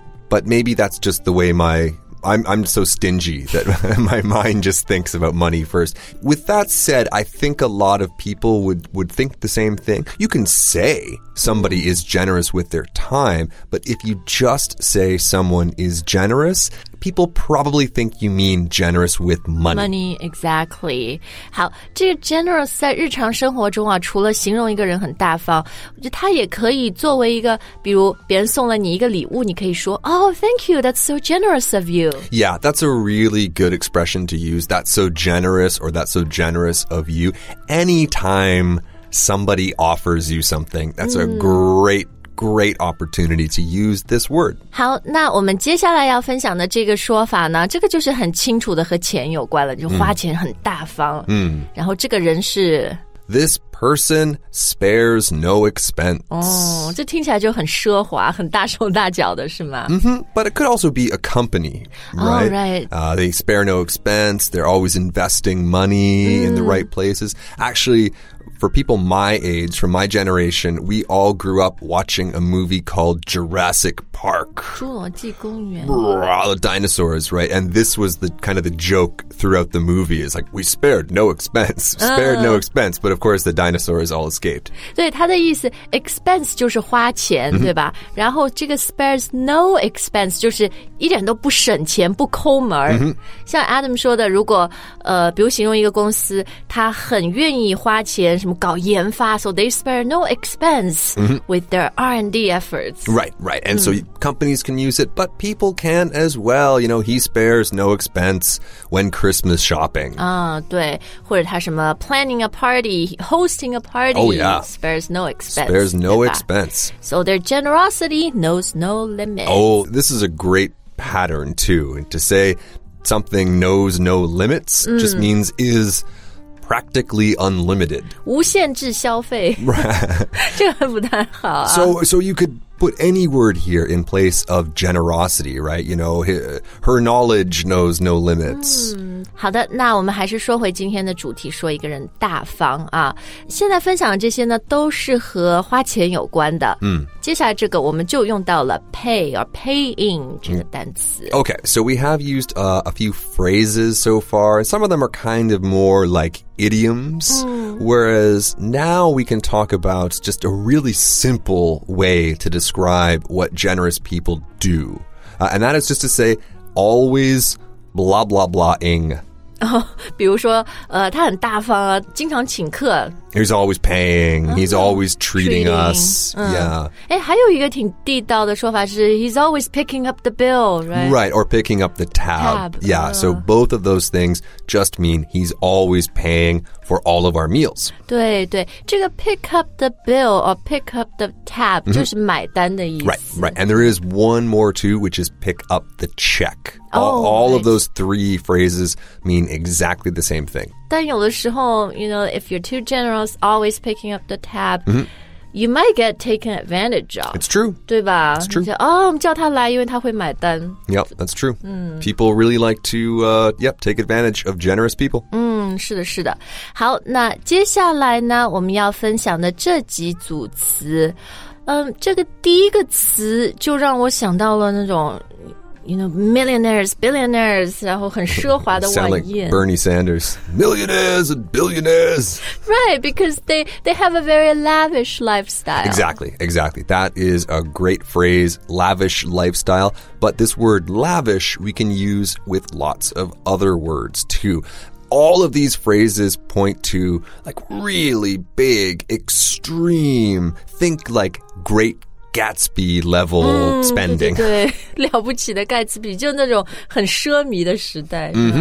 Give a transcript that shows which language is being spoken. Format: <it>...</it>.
<en>But maybe that's just the way I'm so stingy that my mind just thinks about money first. With that said, I think a lot of people would think the same thing. You can say somebody is generous with their time, but if you just say someone is generous, people probably think you mean generous with money. Money, exactly.</en> <zh>好，这个 generous 在日常生活中啊，除了形容一个人很大方，我觉得它也可以作为一个，比如别人送了你一个礼物，你可以说</zh> <en>Oh, thank you, that's so generous of you. Yeah, that's a really good expression to use. That's so generous or that's so generous of you. Anytime somebody offers you something, that's a great opportunity to use this word.</en> <zh>好，那我们接下来要分享的这个说法呢，这个就是很清楚的和钱有关了，就花钱很大方。嗯，然后这个人是</zh> <en>This person spares no expense.</en> <zh>哦，这听起来就很奢华，很大手大脚的是吗？</zh> <en>Mm-hmm, but it could also be a company, right? Oh, right. They spare no expense. They're always investing money in the right places. Actually,For people my age, from my generation, we all grew up watching a movie called Jurassic Park.</en> <zh>侏罗纪公园</zh> <en>Brawl, the dinosaurs, right? And this was the kind of the joke throughout the movie. It's like, we spared no expense, But of course, the dinosaurs all escaped.</en> <zh>对，他的意思 expense 就是花钱，对吧？然后这个</zh> <en>spares no expense</en> <zh>就是一点都不省钱，不抠门。像 Adam 说的，如果比如形容一个公司，他很愿意花钱什么搞研发</zh> <en>so they spare no expense with their R&D efforts. Right. And so companies can use it, but people can as well. You know, he spares no expense when Christmas shopping.</en> <zh>对。或者他什么</zh> <en>planning a party, hosting a party. Oh, yeah. Spares no expense. So their generosity knows no limit. Oh, this is a great pattern, too. And to say something knows no limits just means is... practically unlimited.</en> <zh>无限制消费</zh> <en>Right.</en> <zh>这个不太好、啊、</zh> <en>So you could put any word here in place of generosity, right? You know, her knowledge knows no limits.</en> <zh>好的，那我们还是说回今天的主题，说一个人大方啊。现在分享的这些呢，都是和花钱有关的。接下来这个我们就用到了 pay or paying 这个单词。</zh> <en>Okay, so we have used a few phrases so far. Some of them are kind of more like idioms, whereas now we can talk about just a really simple way to describe what generous people do. And that is just to say, always blah blah blah-ing.</en> <zh>Oh, 比如说他很大方啊经常请客。</zh> <en>He's always paying. He's always treating us. Yeah.</en> <zh>还有一个挺地道的说法是</zh> <en>he's always picking up the bill, right? Right, or picking up the tab. Yeah, so both of those things just mean he's always paying for all of our meals.</en> <zh>对对这个</zh> <en>pick up the bill or pick up the tab、mm-hmm.</en> <zh>就是买单的意思。</zh> <en>Right. And there is one more too, which is pick up the check. All of those three phrases mean exactly the same thing.</en> <zh>但有的时候</zh> <en>you know, if you're too generous, always picking up the tab,you might get taken advantage of. It's true.</en> <zh>对吧</zh> <en>It's true.</en> <zh>你说、哦、我们叫他来因为他会买单。</zh> <en>Yep, that's true. People really like to, take advantage of generous people.</en> <zh>是的是的。好那接下来呢我们要分享的这几组词。这个第一个词就让我想到了那种</zh> <en>You know, millionaires, billionaires,</en> <zh>然后很奢华的晚宴。</zh> <en>Sound like Bernie Sanders. Millionaires and billionaires. Right, because they have a very lavish lifestyle. Exactly. That is a great phrase, lavish lifestyle. But this word lavish, we can use with lots of other words too. All of these phrases point to like really big, extreme, think like greatGatsby level spending.</en> <zh>对对对，了不起的盖茨比，就那种很奢靡的时代。</zh>